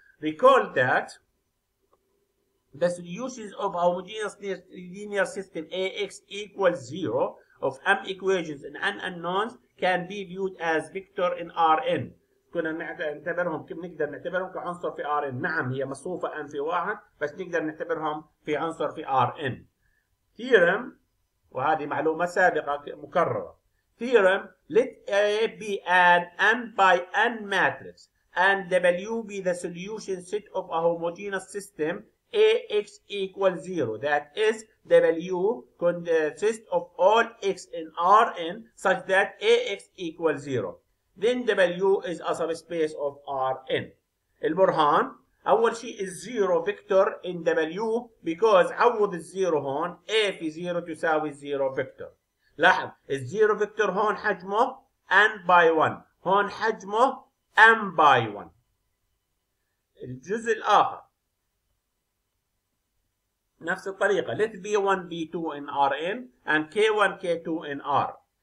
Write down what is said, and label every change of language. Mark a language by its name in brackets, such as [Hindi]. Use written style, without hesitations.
[English] Recall that the solutions of homogeneous linear system AX equals 0 of m equations and n unknowns can be viewed as vector in Rn. [Arabic] كنا نعتبرهم، نقدر نعتبرهم كعنصر في Rn. نعم هي مصفوفة n في واحد، بس نقدر نعتبرهم في عنصر في Rn. Theorem، وهذه معلومة سابقة مكررة. [English] Theorem let A be an m by n matrix and W be the solution set of a homogeneous system AX equals 0. That is, W consists of all X in Rn such that AX equals 0. Then W is a subspace of Rn. [Arabic] البرهان أول شيء الزيرو فيكتور [English] in W because [Arabic] عوض الزيرو هون A في زيرو تساوي الزيرو فيكتور. لاحظ الزيرو فيكتور هون حجمه N by 1 هون حجمه M by 1. الجزء الآخر نفس الطريقة [English] let B1 B2 in Rn and K1 K2 in R.